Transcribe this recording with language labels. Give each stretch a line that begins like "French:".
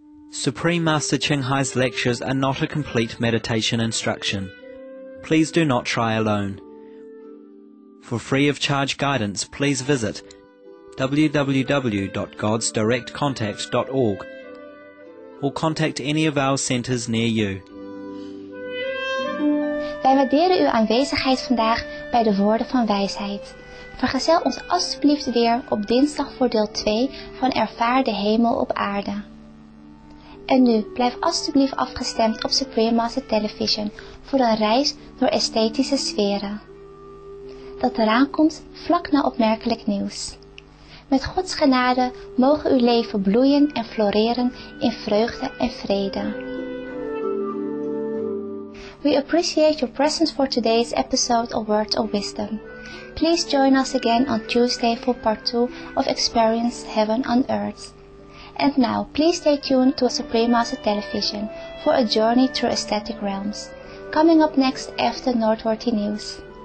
English: Supreme Master Ching Hai's lectures are not a complete meditation instruction. Please do not try alone. For free of charge guidance, please visit www.godsdirectcontact.org or contact any of our centers near you.
Dutch: Wij waarderen uw aanwezigheid vandaag bij de Woorden van Wijsheid. Vergezel ons alsjeblieft weer op dinsdag voor deel 2 van Ervaar de Hemel op Aarde. En nu, blijf alsjeblieft afgestemd op Supreme Master Television voor een reis door esthetische sferen. Dat eraan komt vlak na opmerkelijk nieuws. Met Gods genade mogen uw leven bloeien en floreren in vreugde en vrede.
English: We appreciate your presence for today's episode of Words of Wisdom. Please join us again on Tuesday for part 2 of Experience Heaven on Earth. And now, please stay tuned to Supreme Master Television for a journey through aesthetic realms, coming up next after Noteworthy News.